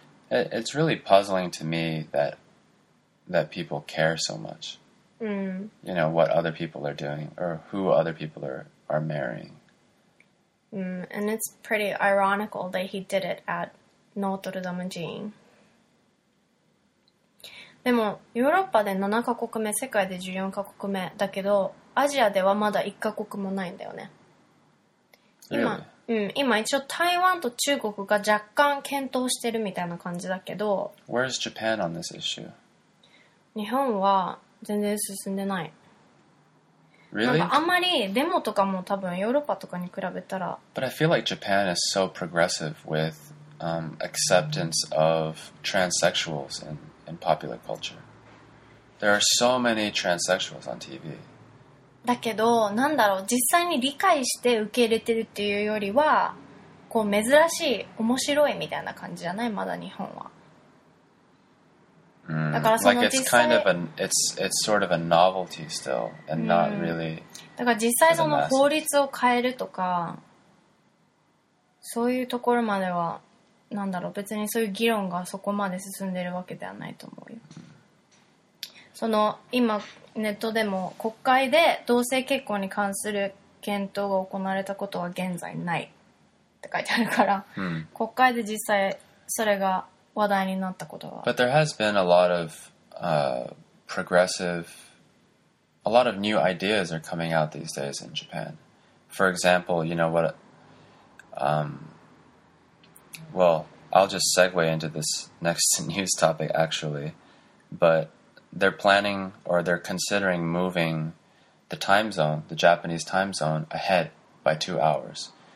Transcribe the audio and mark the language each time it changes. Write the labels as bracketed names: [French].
[English] It's really puzzling to me that people care so much. You know, what other people are doing or who other people are marrying. And it's pretty ironical that he did it at Notre Dame 寺院。 [Japanese] でもヨーロッパで7カ国目、世界で14カ国目だけど、アジアではまだ1カ国もないんだよね。 [English] Really? [Japanese] 今一応台湾と中国が若干検討してるみたいな感じだけど。 [English] Where's Japan on this issue? [Japanese] 日本は全然進んでない。 [English] Really? [Japanese] なんかあんまりデモとかも多分ヨーロッパとかに比べたら。 [English] But I feel like Japan is so progressive with acceptance of transsexuals in popular culture. There are so many transsexuals on TV. [Japanese] だけど、なんだろう、実際に理解して受け入れてるっていうよりは、こう珍しい、面白いみたいな感じじゃない、まだ日本は。だからその実際、 [English] like、kind of it's sort of a novelty still and not really。 [Japanese] だから実際その法律を変えるとかそういうところまではなんだろう、別にそういう議論がそこまで進んでるわけではないと思うよ。その今ネットでも国会で同性結婚に関する検討が行われたことは現在ないって書いてあるから、国会で実際それが話題になったことは。 [English] But there has been a lot of progressive, a lot of new ideas are coming out these days in Japan. For example, you know what, well, I'll just segue into this next news topic actually, but they're planning or they're considering moving the time zone, the Japanese time zone, ahead by 2 hours.